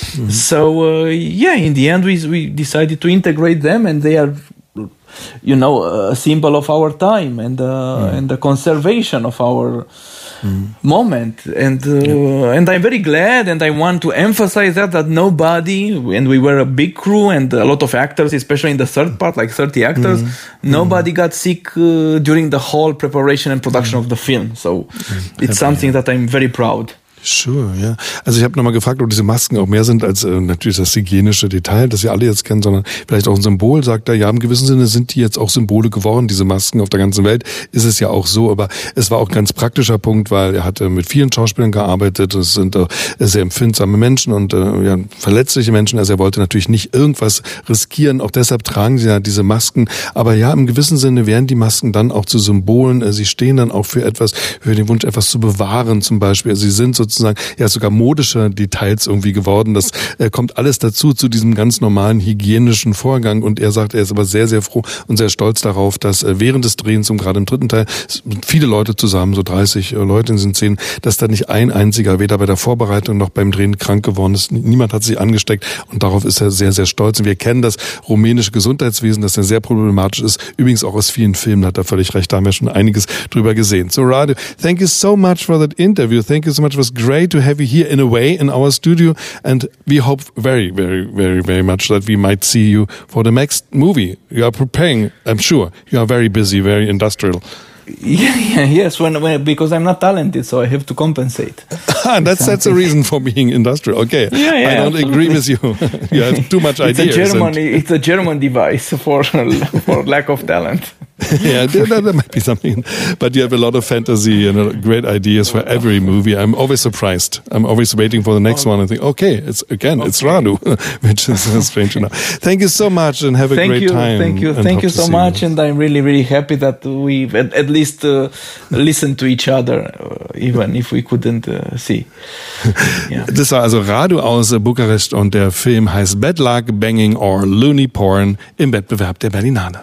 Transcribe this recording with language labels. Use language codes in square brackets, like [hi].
[en] So in the end we decided to integrate them, and they are, you know, a symbol of our time and the conservation of our moment. And and I'm very glad, and I want to emphasize that nobody, and we were a big crew and a lot of actors, especially in the third part, like 30 actors, nobody got sick during the whole preparation and production of the film. So it's something that I'm very proud. Sure, ja. [de] Also ich habe nochmal gefragt, ob diese Masken auch mehr sind als natürlich das hygienische Detail, das wir alle jetzt kennen, sondern vielleicht auch ein Symbol, sagt er. Ja, im gewissen Sinne sind die jetzt auch Symbole geworden, diese Masken auf der ganzen Welt. Ist es ja auch so, aber es war auch ein ganz praktischer Punkt, weil er hat mit vielen Schauspielern gearbeitet. Es sind sehr empfindsame Menschen und verletzliche Menschen. Also er wollte natürlich nicht irgendwas riskieren. Auch deshalb tragen sie ja diese Masken. Aber ja, im gewissen Sinne werden die Masken dann auch zu Symbolen. Sie stehen dann auch für etwas, für den Wunsch, etwas zu bewahren zum Beispiel. Sie sind so sozusagen, ja, sogar modische Details irgendwie geworden. Das kommt alles dazu, zu diesem ganz normalen hygienischen Vorgang. Und er sagt, er ist aber sehr, sehr froh und sehr stolz darauf, dass während des Drehens und gerade im dritten Teil, viele Leute zusammen, so 30 Leute in diesen Szenen, dass da nicht ein einziger weder bei der Vorbereitung noch beim Drehen krank geworden ist. Niemand hat sich angesteckt und darauf ist er sehr, sehr stolz. Und wir kennen das rumänische Gesundheitswesen, das ja sehr problematisch ist. Übrigens auch aus vielen Filmen, hat er völlig recht, da haben wir schon einiges drüber gesehen. [en] So, Radu, thank you so much for that interview. Thank you so much for great to have you here in a way in our studio, and we hope very, very, very, very much that we might see you for the next movie. You are preparing, I'm sure. You are very busy, very industrial. Yeah, yes, because I'm not talented, so I have to compensate. that's the reason for being industrial. Okay. Yeah, I don't agree with you. You have too much ideas. It's a German device for lack of talent. Yeah, there might be something. But you have a lot of fantasy and great ideas for every movie. I'm always surprised. I'm always waiting for the next one and think, it's Radu, which is strange enough. Thank you so much and have a great time. Thank you. Thank you so much. And I'm really, really happy that we've at least listened to each other, even if we couldn't see. Yeah. [de] Das war also Radu aus Bukarest und der Film heißt Bad Luck, Banging or Loony Porn im Wettbewerb der Berlinale.